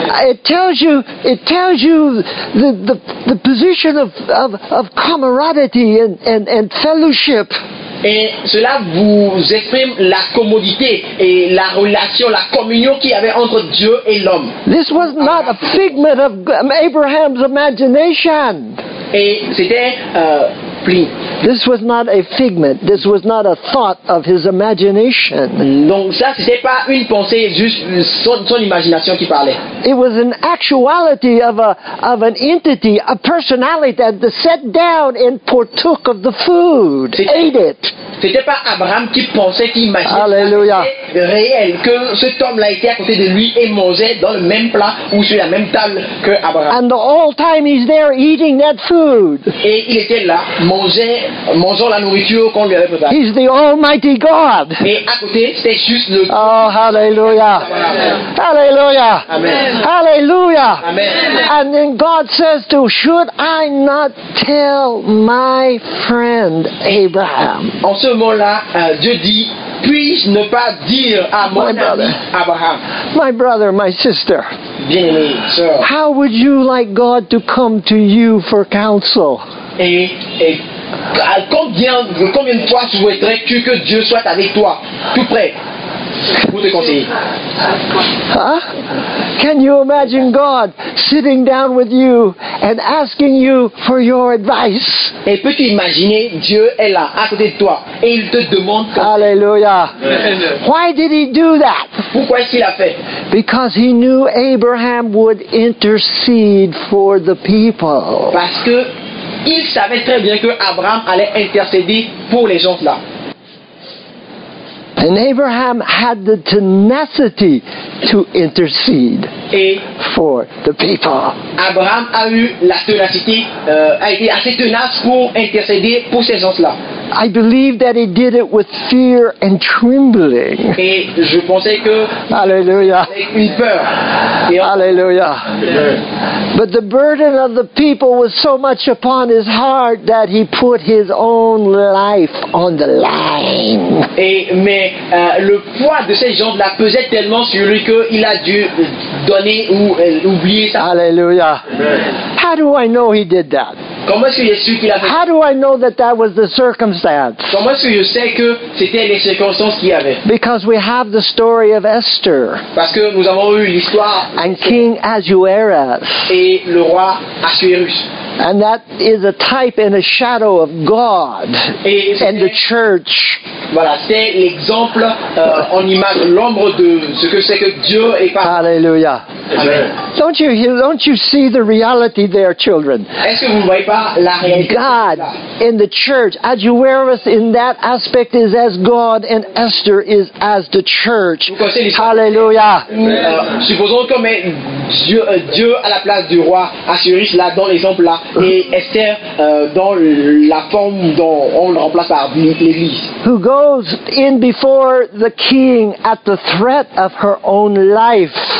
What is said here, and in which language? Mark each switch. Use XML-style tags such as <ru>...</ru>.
<en>It tells you the position of camaraderie and fellowship.</en> <fr>Et cela vous exprime la commodité et la relation, la communion qu'il y avait entre Dieu et l'homme.</fr> <en>This was not a figment of Abraham's imagination.</en> <fr>Et c'était</fr> <en>This was not a figment. This was not a thought of his imagination.</en> <fr>Donc ça, c'était pas une pensée, juste son imagination qui parlait.</fr> <en>It was an actuality of an entity, a personality that sat down and partook of the food, ate it.</en> <fr>C'était pas Abraham qui pensait, qui imaginait. Alléluia. C'était réel que cet homme-là était à côté de lui et mangeait dans le même plat ou sur la même table que Abraham.</fr> <en>And the whole time he's there eating that food.</en> <fr>Et il était là. Mangeant la nourriture qu'on lui avait préparée.</fr> <en>He's the Almighty God.</en> <fr>Et à côté, c'était juste le.</fr> <en>Oh, hallelujah. Amen. Hallelujah. Amen. Hallelujah. Amen. And then God says to, should I not tell my friend Abraham?</en> <fr>En ce moment-là, Dieu dit, puis-je ne pas dire à mon ami Abraham?</fr> <en>My brother, my sister.</en> <fr>Bien-aimé,</fr> <en>sir. How would you like God to come to you for counsel?</en> <fr>Et combien de fois souhaiterais-tu que Dieu soit avec toi, tout près? pour te conseiller. Huh?</fr> <en>Can you imagine God sitting down with you and asking you for your advice?</en> <fr>Et peux-tu imaginer Dieu est là à côté de toi et il te demande.</fr> <en>Alléluia. Why did he do that?</en> <fr>Pourquoi est-ce qu'il a fait?</fr> <en>Because he knew Abraham would intercede for the people.</en> <fr>Parce que il savait très bien que Abraham allait intercéder pour les gens là.</fr> <en>And Abraham had the tenacity to intercede for the people.</en> <fr>Abraham a eu la ténacité, a été assez tenace pour intercéder pour ces gens-là.</fr> <en>I believe that he did it with fear and trembling.</en> <fr>Et je pensais que Alléluia. Avec une peur. Alléluia.</fr> <en>But the burden of the people was so much upon his heart that he put his own life on the line.</en> <fr>Et mais le poids de ces gens la pesait tellement sur lui qu'il a dû donner ou oublier ça.</fr> <en>Alléluia. How do I know he did that?</en> <fr>Comment est-ce que je sais qu'il a fait?</fr> <en>How do I know that that was the circumstance?</en> <fr>Comment est-ce que je sais que c'était les circonstances qu'il y avait?</fr> <en>Because we have the story of Esther.</en> <fr>Parce que nous avons eu l'histoire.</fr> <en>And King Ahasuerus.</en> <fr>Et le roi Ahasuerus.</fr> <en>And that is a type and a shadow of God and the church.</en> <fr>Voilà, c'est l'exemple en image, l'ombre de ce que c'est que Dieu est pas.</fr> <en>Hallelujah. Don't you see the reality there, children?</en> <fr>Est-ce que vous voyez pas la réalité?</fr> <en>God in the church, Ahasuerus in that aspect is as God, and Esther is as the church. Hallelujah.</en> <fr>Supposons comme Dieu à la place du roi Ahasuerus là dans l'exemple là. Et Esther dans la forme dont on le remplace par l'Église.</fr> <en>Who goes in before the king at the threat of her own life?</en>